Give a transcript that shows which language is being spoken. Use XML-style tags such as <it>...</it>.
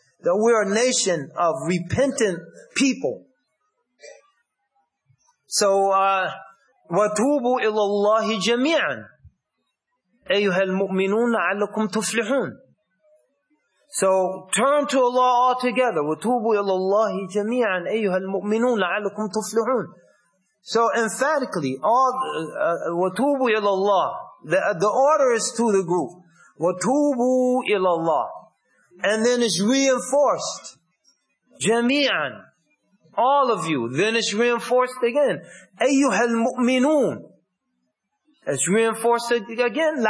<en>That we are a nation of repentant people. So,</en> <ar>وَتُوبُوا إِلَى اللَّهِ جَمِيعًا أَيُّهَا الْمُؤْمِنُونَ عَلَّكُمْ تُفْلِحُونَ.</ar> <en>So turn to Allah altogether.</en> <ar>وَتُوبُوا إِلَى اللَّهِ جَمِيعًا أَيُّهَا الْمُؤْمِنُونَ لَعَلَّكُمْ تُفْلِحُونَ.</ar> <en>So emphatically,</en> <ar>وَتُوبُوا إِلَى اللَّهِ.</ar> <en>The order is to the group.</en> <ar>وَتُوبُوا إِلَى اللَّهِ.</ar> <en>And then it's reinforced.</en> <ar>جَمِيعًا.</ar> <en>All of you. Then it's reinforced again.</en> <ar>أَيُّهَا الْمُؤْمِنُونَ.</ar> <en>It's reinforced again.</en>